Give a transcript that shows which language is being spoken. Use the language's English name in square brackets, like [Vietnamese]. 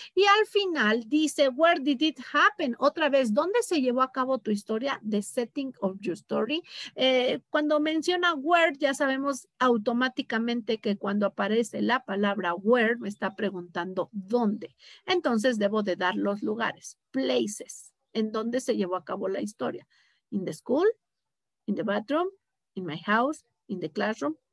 [Spanish] Y al final dice, [English] where did it happen? [Spanish] Otra vez, ¿dónde se llevó a cabo tu historia? [English] The setting of your story. [Spanish] Cuando menciona where, ya sabemos automáticamente que cuando aparece la palabra where, me está preguntando dónde. Entonces debo de dar los lugares, places, en dónde se llevó a cabo la historia. [English] In the school, in the bathroom, in my house, in the classroom.